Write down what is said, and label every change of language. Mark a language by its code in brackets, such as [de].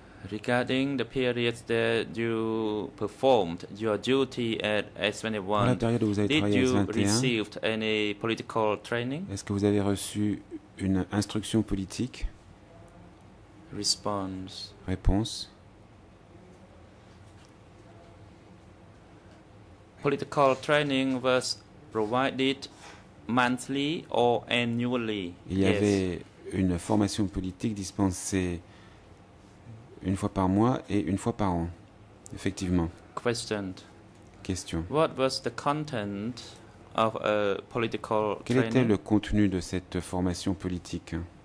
[en] Regarding the period that you performed your duty at S21, did you receive any political training? [fr] Est-ce que vous avez reçu une instruction politique? [en] Response. [fr] Réponse. [en] Political training was provided monthly or annually. [fr] Il y avait une formation politique dispensée une fois par mois et une fois par an, effectivement. [en] Question. [fr] Question. [en] What was the content of a political training? [fr] Quel était le contenu de cette formation politique?